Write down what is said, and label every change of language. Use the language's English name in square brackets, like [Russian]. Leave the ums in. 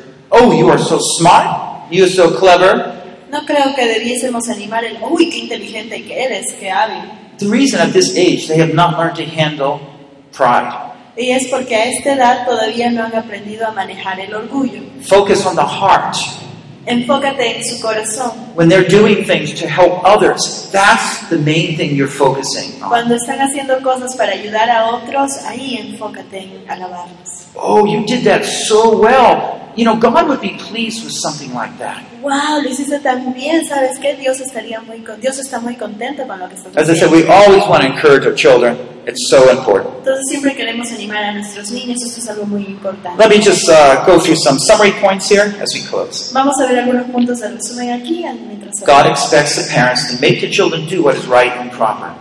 [English] oh, you are so smart, you are so clever. [Spanish] No creo que debiésemos animar el, uy, qué inteligente que eres, qué hábil. [English] The reason at this age they have not learned to handle pride. [Spanish] Y es porque a esta edad todavía no han aprendido a manejar el orgullo. [English] Focus on the heart. [Spanish] Enfócate en su corazón. [English] When they're doing things to help others, that's the main thing you're focusing on. [Spanish] Cuando están haciendo cosas para ayudar a otros, ahí enfócate en alabarlos. [English] Oh, you did that so well you know, God would be pleased with something like that. [Spanish] Wow, lo hiciste Sabes que Dios estaría muy, Dios está muy contento con lo que estás haciendo. [English] As I said, we always want to encourage our children. It's so important. [Spanish] Entonces siempre queremos animar a nuestros niños. Esto es algo muy importante. [English] Let me just uh, go through some summary points here as we close. [Spanish] Vamos a ver algunos puntos de resumen aquí mientras. [English] God expects the parents to make the children do what is right and proper.